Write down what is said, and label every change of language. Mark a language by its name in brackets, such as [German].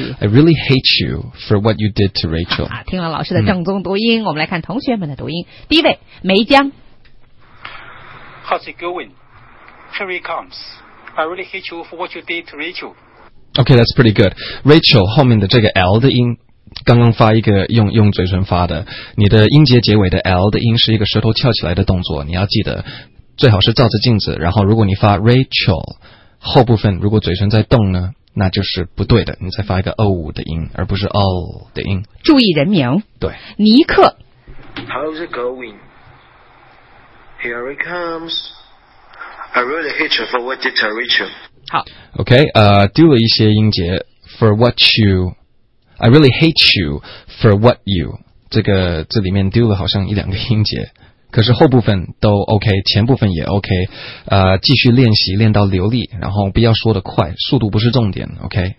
[English] I really hate you for what you did to Rachel。 [Chinese] 啊，听了老师的正宗读音、嗯，我们来看同学们的读音。第一位，梅江。 [English] How's it going? Here he comes. I really hate you for what you did to Rachel. Okay, that's pretty good. [Chinese] Rachel 后面的这个 L 的音，刚刚发一个用嘴唇发的。你的音节结尾的 L 的音是一个舌头翘起来的动作，你要记得，最好是照着镜子。然后，如果你发 Rachel 后部分，如果嘴唇在动呢，那就是不对的。你再发一个 O 的音，而不是 O 的音。注意人名。对，尼克。 [English] How's it going? Here it comes. I really hate you for what you did to Rachel. [Chinese] 好，OK， 丢了一些音节。 [English] For what you, I really hate you for what you. [Chinese] 这个这里面丢了好像一两个音节，可是后部分都 OK， 前部分也 OK。继续练习，练到流利，然后不要说的快，速度不是重点。OK。